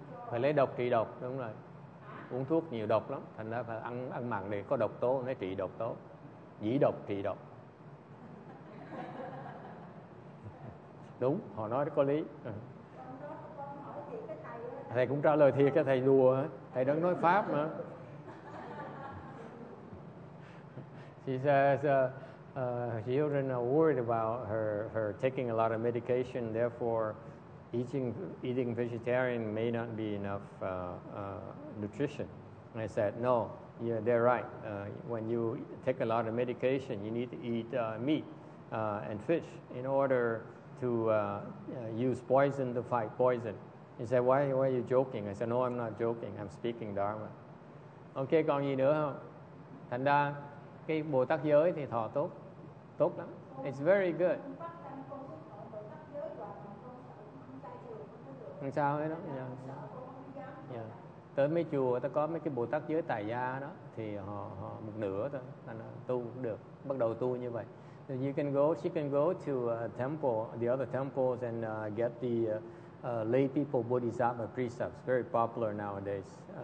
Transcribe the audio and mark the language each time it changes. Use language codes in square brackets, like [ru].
[vi] Phải lấy độc trị độc, đúng rồi. Uống thuốc nhiều độc lắm, thành ra phải ăn mặn để có độc tố, nó trị độc tố. Dĩ độc trị độc. Đúng, họ nói rất có lý. Ừ. Thầy cũng trả lời thiệt cho thầy đùa, thầy đang nói pháp mà. [en] She says, children are worried about her taking a lot of medication, therefore eating vegetarian may not be enough nutrition. And I said, no, yeah, they're right. When you take a lot of medication, you need to eat meat and fish in order to use poison to fight poison. He said, why are you joking? I said, no, I'm not joking. I'm speaking Dharma. [vi] Ok, còn gì nữa không? Thành ra, cái Bồ Tát giới thì thọ tốt. Tốt lắm. [en] It's very good. [vi] Làm sao ấy đó? Yeah. Tới mấy chùa, ta có mấy cái Bồ Tát giới tại gia đó, thì họ một nửa thôi. Thành ra tu cũng được. Bắt đầu tu như vậy. [en] You can go, she can go to the other temples and get the lay people bodhisattva precepts, very popular nowadays.